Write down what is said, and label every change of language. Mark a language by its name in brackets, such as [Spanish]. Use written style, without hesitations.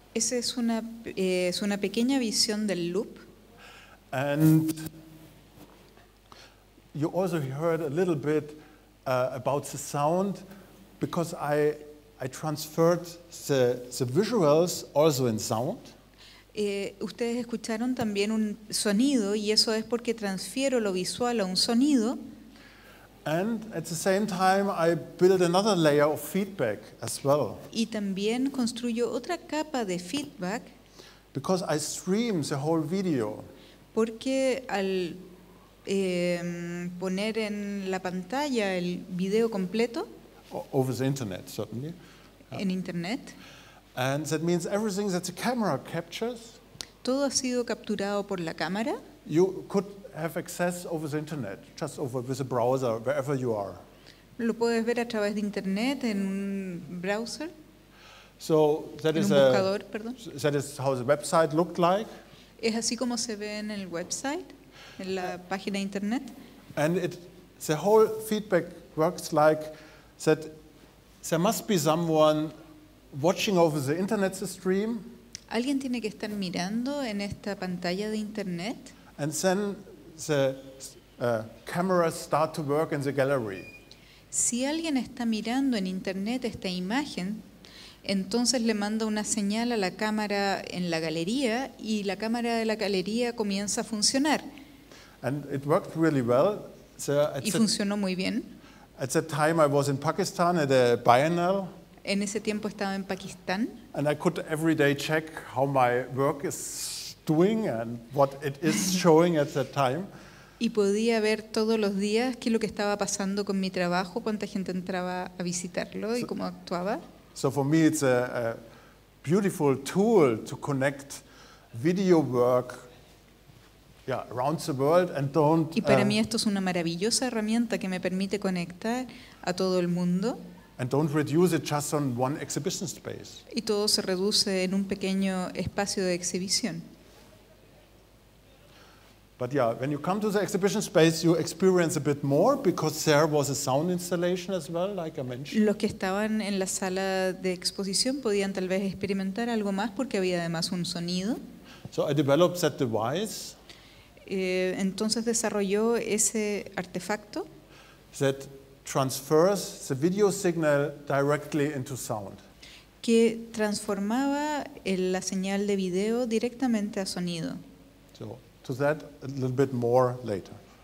[Spanish] Esa es una pequeña visión del loop. [English] And you also heard a little bit about the sound because I transferred the visuals also in sound. [Spanish] Ustedes escucharon también un sonido y eso es porque transfiero lo visual a un sonido. [English] And at the same time, I build another layer of feedback as well. [Spanish] Y también construyo otra capa de feedback. [English] Because I stream the whole video. [Spanish] Porque al poner en la pantalla el video completo. [English] Over the internet, certainly. [Spanish] En internet. [English] And that means everything that the camera captures. [Spanish] Todo ha sido capturado por la cámara. [English] You could have access over the internet, just over with a browser, wherever you are. [Spanish] Lo puedes ver a través de internet en un browser. [English] So that is [Spanish] buscador, perdón. [English] That is how the website looked like. [Spanish] Es así como se ve en el website, en la página de internet. [English] And the whole feedback works like that. There must be someone watching over the internet stream. [Spanish] Alguien tiene que estar mirando en esta pantalla de internet. [English] And then the cameras start to work in the gallery. [Spanish] Si alguien está mirando en internet esta imagen, entonces le manda una señal a la cámara en la galería y la cámara de la galería comienza a funcionar. [English] And it worked really well. [Spanish] Y funcionó muy bien. [English] At that time I was in Pakistan at a biennial. [Spanish] En ese tiempo estaba en Pakistán. [English] And I could every day check how my work is doing and what it is showing at that time. [Spanish] Y podía ver todos los días qué es lo que estaba pasando con mi trabajo, cuánta gente entraba a visitarlo y cómo actuaba. [English] So for me it's a beautiful tool to connect video work around the world and don't. [Spanish] Y para mí esto es una maravillosa herramienta que me permite conectar a todo el mundo. [English] And don't reduce it just on one exhibition space. [Spanish] Y todo se reduce en un pequeño espacio de exhibición. [English] But yeah, when you come to the exhibition space, you experience a bit more because there was a sound installation as well, like I mentioned. [Spanish] Los que estaban en la sala de exposición podían tal vez experimentar algo más porque había además un sonido. [English] So I developed that device. [Spanish] Entonces desarrolló ese artefacto. [English] That transfers the video signal directly into sound. [Spanish] Que transformaba la señal de video directamente a sonido. [English] So, to that a little bit more later.